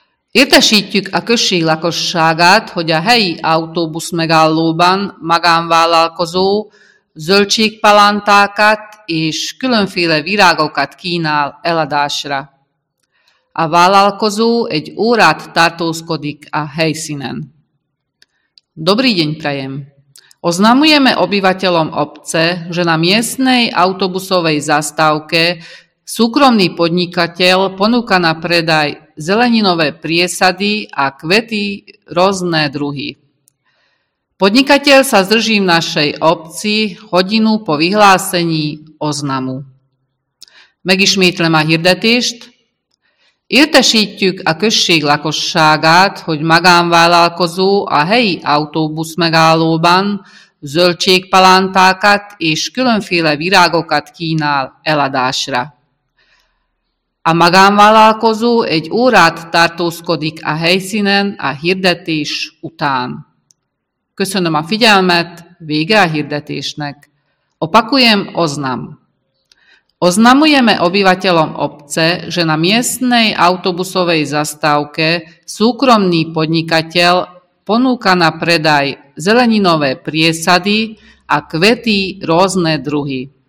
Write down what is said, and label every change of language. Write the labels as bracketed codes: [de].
[hu] Értesítjük a község lakosságát, hogy a helyi autóbusz megállóban magánvállalkozó zöldségpalántákat és különféle virágokat kínál eladásra. A vállalkozó egy órát tartózkodik a helyszínen. [sk] Dobrý deň prajem! Oznamujeme obyvateľom obce, že na miestnej autobusovej zastávke súkromný podnikateľ ponúka na predaj zeleninové priesady a kvety rôzne druhy. Podnikateľ sa zdrží v našej obci hodinu po vyhlásení oznamu. [hu] Megismétlem a hirdetést. Értesítjük a község lakosságát, hogy magánvállalkozó a helyi autóbusz megállóban zöldségpalántákat és különféle virágokat kínál eladásra. A magánvállalkozó egy órát tartózkodik a helyszínen a hirdetés után. Köszönöm a figyelmet, vége a hirdetésnek. [sk] Opakujem oznam. Oznamujeme obyvateľom obce, že na miestnej autobusovej zastávke súkromný podnikateľ ponúka na predaj zeleninové priesady a kvety rôzne druhy.